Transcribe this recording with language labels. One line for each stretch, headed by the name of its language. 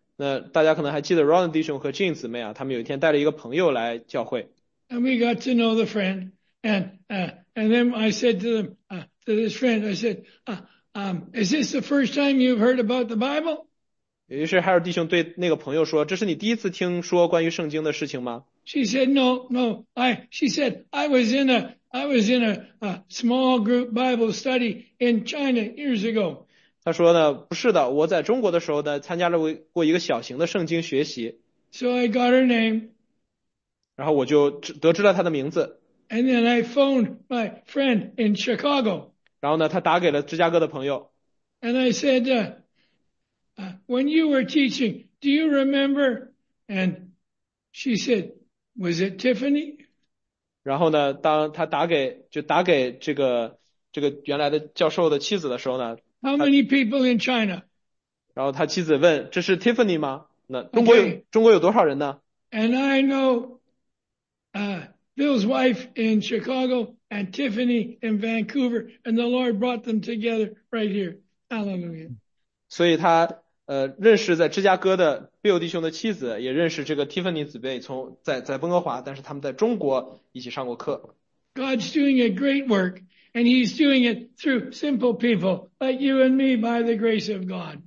Chinese: 那大家可能还记得 Ronald 弟兄和 Jean 姊妹啊他们有一天带了一个朋友来教会。
English: And we got to know the friend. And then I said to them, to this friend, I said, is this the first time you've heard about the Bible?
Chinese: 于是海尔弟兄对那个朋友说这是你第一次听说关于圣经的事情吗
English: She said, no, I was in a small group Bible study in China years ago.
Chinese: 他说呢不是的我在中国的时候呢参加了过一个小型的圣经学习。
English: So I got her name.
Chinese: 然后我就得知了他的名字。
English: And then I phoned my friend in Chicago.
Chinese: 然后呢他打给了芝加哥的朋友。
English: And I said, when you were teaching, do you remember? And she said, was it Tiffany?
Chinese: 然后呢当他打给就打给这个原来的教授的妻子的时候呢
English: How many people in China?
Chinese: 然后他妻子问这是 Tiffany 吗那中国有多少人呢
English: And I know, Bill's wife in Chicago and Tiffany in Vancouver and the Lord brought them together right here. Hallelujah.
Chinese: 所以他认识在芝加哥的 Bill 弟兄的妻子也认识这个 Tiffany 姊妹从在温哥华但是他们在中国一起上过课。
English: God's doing a great work, and he's doing it through simple people like you and me by the grace of God.